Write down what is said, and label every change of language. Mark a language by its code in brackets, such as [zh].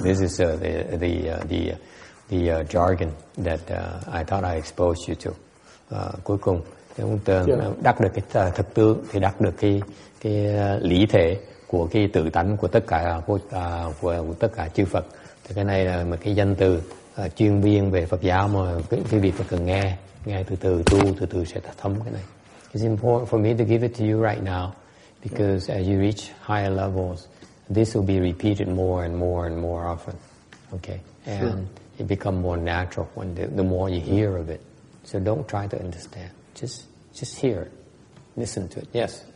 [en] This is the jargon that I thought I exposed you to. [vi] Cuối cùng, chúng ta đắc được cái thực tướng thì đắc được cái lý thể của cái tự tánh của tất cả của tất cả chư Phật. Thì cái này là một cái danh từ chuyên viên về Phật giáo mà quý vị phải cần nghe từ từ, tu từ từ sẽ thấm cái này. [en] It's important for me to give it to you right now, because as you reach higher levels, this will be repeated more and more and more often. Okay, and it become more natural when the more you hear of it. So don't try to understand. Just hear it, listen to it. Yes.